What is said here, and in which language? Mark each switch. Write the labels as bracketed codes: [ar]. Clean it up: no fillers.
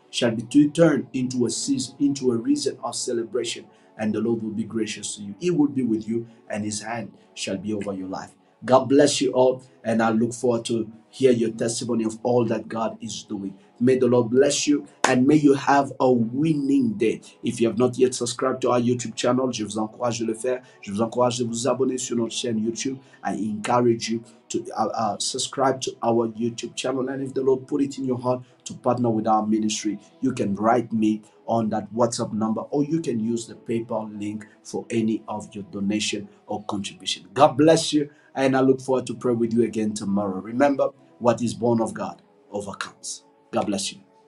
[en] shall be turned into a season, into a reason of celebration, and the Lord will be gracious to you. He will be with you, and His hand shall be over your life. God bless you all, and I look forward to hear your testimony of all that God is doing. May the Lord bless you, and may you have a winning day. If you have not yet subscribed to our YouTube channel, [fr] je vous encourage de le faire. Je vous encourage de vous abonner sur notre chaîne YouTube. [en] I encourage you to subscribe to our YouTube channel. And if the Lord put it in your heart to partner with our ministry, you can write me on that WhatsApp number, or you can use the PayPal link for any of your donation or contribution. God bless you, and I look forward to pray with you again tomorrow. Remember, what is born of God overcomes. God bless you.